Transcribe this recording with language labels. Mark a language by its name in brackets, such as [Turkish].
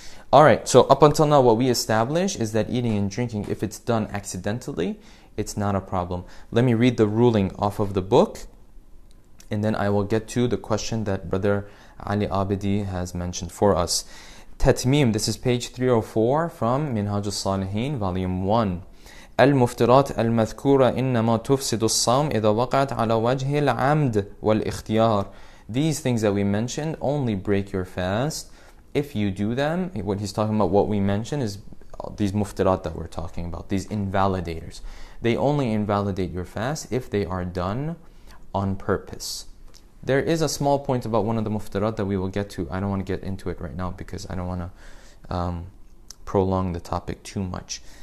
[English] All right, so up until now, what we established is that eating and drinking, if it's done accidentally, it's not a problem. Let me read the ruling off of the book, and then I will get to the question that Brother Ali Abidi has mentioned for us. Tatmim, this is page 304 from Minhaj al-Salihin, volume 1. [Arabic] المفترات المذكورة إنما تفسد الصوم إذا وقعت على وجه العمد والاختيار. [English] These things that we mentioned only break your fast if you do them. What he's talking about, what we mentioned, is these مفترات that we're talking about, these invalidators. They only invalidate your fast if they are done on purpose. There is a small point about one of the مفترات that we will get to. I don't want to get into it right now because I don't want to prolong the topic too much.